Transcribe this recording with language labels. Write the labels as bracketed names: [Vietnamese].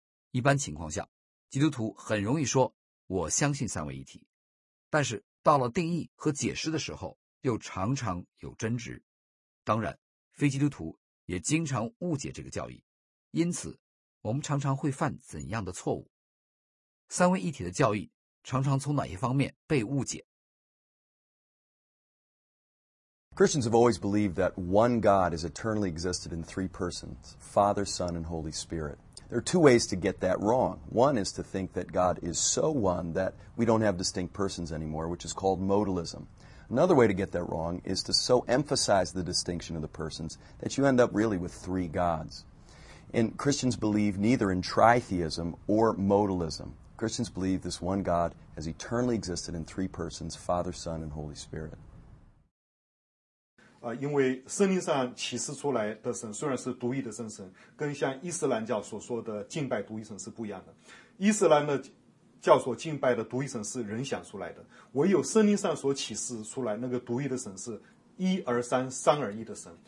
[Chinese] 一般情况下，基督徒很容易说我相信三位一体，但是到了定义和解释的时候又常常有争执。当然，非基督徒也经常误解这个教义，因此我们常常会犯怎样的错误？三位一体的教义常常从哪些方面被误解？ [English] Christians have always believed that one God has eternally existed in three persons, Father, Son, and Holy Spirit. There are two ways to get that wrong. One is to think that God is so one that we don't have distinct persons anymore, which is called modalism. Another way to get that wrong is to so emphasize the distinction of the persons that you end up really with three gods. And Christians believe neither in tritheism or modalism. Christians believe this one God has eternally existed in three persons, Father, Son, and Holy Spirit. [Chinese] 因为圣经上启示出来的神虽然是独一的真神，跟像伊斯兰教所说的敬拜独一神是不一样的。伊斯兰的教所敬拜的独一神是人想出来的，唯有圣经上所启示出来那个独一的神是一而三、三而一的神。